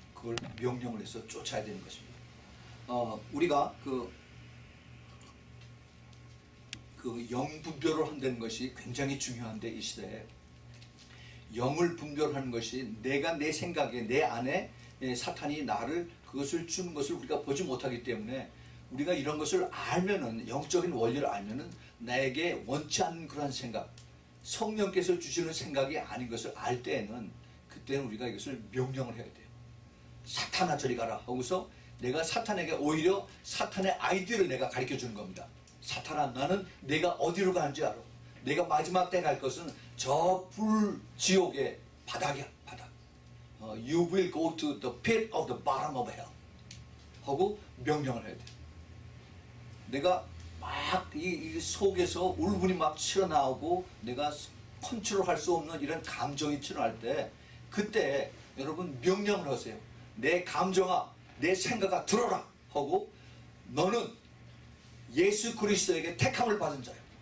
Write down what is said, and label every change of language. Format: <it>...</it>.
<ko>그걸 명령을 해서 쫓아야 되는 것입니다. 우리가 그 영 분별을 한다는 것이 굉장히 중요한데, 이 시대에 영을 분별하는 것이 내가 내 생각에 내 안에 사탄이 나를 그것을 주는 것을 우리가 보지 못하기 때문에, 우리가 이런 것을 알면은, 영적인 원리를 알면은 나에게 원치 않는 그런 생각, 성령께서 주시는 생각이 아닌 것을 알 때에는 그때는 우리가 이것을 명령을 해야 돼요. 사탄아 저리 가라 하고서 내가 사탄에게 오히려 사탄의 아이디어를 내가 가르쳐주는 겁니다. 사탄아 나는 내가 어디로 가는지 알아. 내가 마지막 때 갈 것은 저 불지옥의 바닥이야.</ko> <en>You will go to the pit of the bottom of hell</en> <ko>하고 명령을 해야 돼. 내가 막 이 속에서 울분이 막 튀어나오고 내가 컨트롤할 수 없는 이런 감정이 튀어나올 때, 그때 여러분 명령을 하세요. 내 감정아 내 생각아 들어라 하고, 너는 예수 그리스도에게 택함을 받은 자야.</ko>